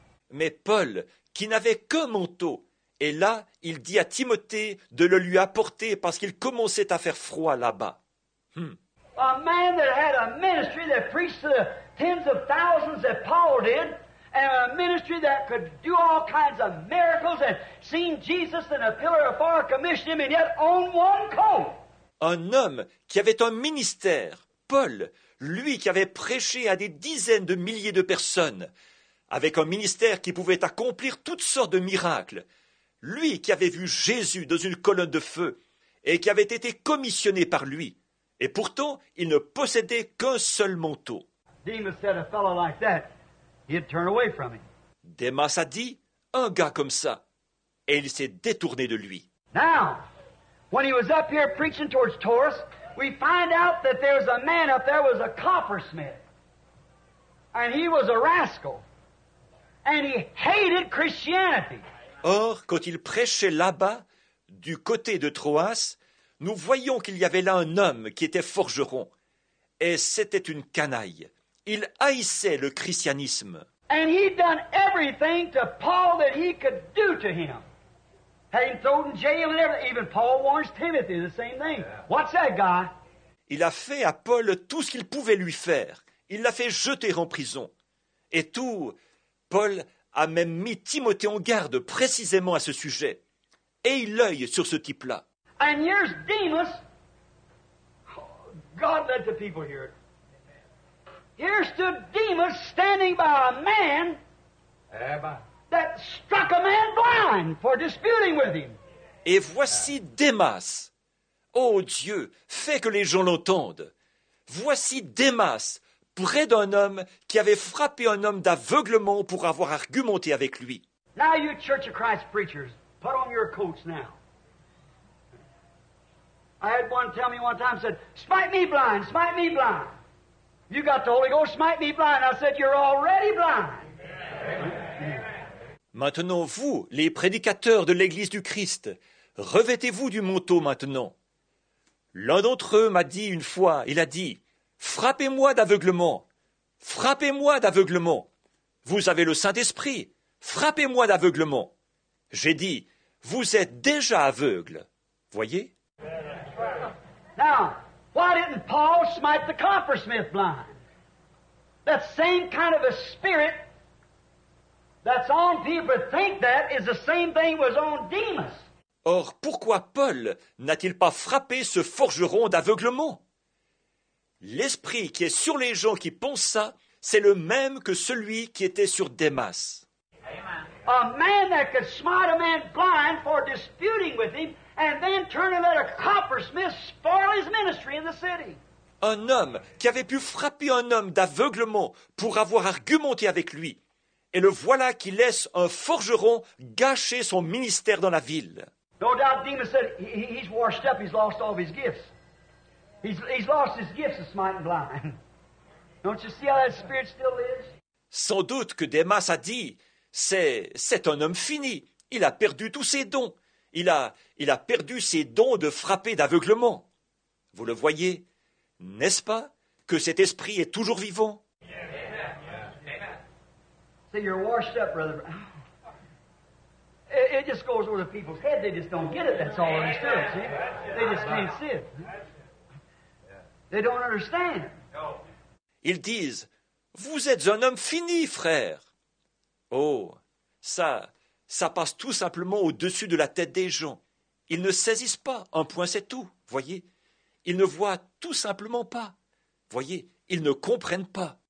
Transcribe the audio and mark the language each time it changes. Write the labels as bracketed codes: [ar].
[fr] Mais Paul, qui n'avait qu'un manteau, et là, il dit à Timothée de le lui apporter parce qu'il commençait à faire froid là-bas. [en] A man that had a ministry that preached to the tens of thousands that Paul did, and a ministry that could do all kinds of miracles and seen Jesus in a pillar of fire commissioned him and yet owned one coat. [fr] Un homme qui avait un ministère, Paul, lui qui avait prêché à des dizaines de milliers de personnes, avec un ministère qui pouvait accomplir toutes sortes de miracles, lui qui avait vu Jésus dans une colonne de feu et qui avait été commissionné par lui, et pourtant il ne possédait qu'un seul manteau. [en] Demas said a fellow like that, he'd turn away from him. [fr] Demas a dit, un gars comme ça, et il s'est détourné de lui. [en] Now, when he was up here preaching towards Taurus, we find out that there's a man up there was a coppersmith, and he was a rascal, and he hated Christianity. [fr] Or, quand il prêchait là-bas, du côté de Troas, nous voyons qu'il y avait là un homme qui était forgeron. Et c'était une canaille. Il haïssait le christianisme. [en] And he'd done everything to Paul that he could do to him. Had him thrown in jail and everything. Even Paul warns Timothy the same thing. What's that guy? [fr] Il a fait à Paul tout ce qu'il pouvait lui faire. Il l'a fait jeter en prison. Et tout, Paul a même mis Timothée en garde précisément à ce sujet. Ayez l'œil sur ce type-là. [en] And here's Demas. God let the people hear it. Here stood Demas standing by a man that struck a man blind for disputing with him. [fr] Et voici Demas. Oh Dieu, fais que les gens l'entendent. Voici Demas, près d'un homme qui avait frappé un homme d'aveuglement pour avoir argumenté avec lui. [en] Now you Church of Christ preachers, put on your coats now. I had one tell me one time, said, smite me blind, smite me blind. You got the Holy Ghost, smite me blind. I said, you're already blind. [fr] Maintenant, vous, les prédicateurs de l'Église du Christ, revêtez-vous du manteau maintenant. L'un d'entre eux m'a dit une fois, il a dit, frappez-moi d'aveuglement. Frappez-moi d'aveuglement. Vous avez le Saint-Esprit. Frappez-moi d'aveuglement. J'ai dit, vous êtes déjà aveugle. Voyez? [en] Now, why didn't Paul smite the coppersmith blind? That same kind of a spirit that's on people to think that is the same thing was on Demas. [fr] Or, pourquoi Paul n'a-t-il pas frappé ce forgeron d'aveuglement? L'esprit qui est sur les gens qui pensent ça, c'est le même que celui qui était sur Demas. [en] A man that could smite a man blind for disputing with him, and then turn him at a coppersmith, spoil his ministry in the city. [fr] Un homme qui avait pu frapper un homme d'aveuglement pour avoir argumenté avec lui, et le voilà qui laisse un forgeron gâcher son ministère dans la ville. [en] No doubt, Demas said he's washed up. He's lost all of his gifts. He's lost his gifts of smiting blind. Don't you see how that spirit still lives? [fr] Sans doute que Demas a dit, c'est un homme fini. Il a perdu tous ses dons. Il a perdu ses dons de frapper d'aveuglement. Vous le voyez, n'est-ce pas, que cet esprit est toujours vivant? [en] See, you're washed up, brother. It just goes over the people's head. They just don't get it. That's all they're still, see? They just can't see it. They don't understand. [fr] Ils disent, vous êtes un homme fini, frère. Oh, ça passe tout simplement au-dessus de la tête des gens. Ils ne saisissent pas, un point c'est tout, voyez. Ils ne voient tout simplement pas, voyez, ils ne comprennent pas.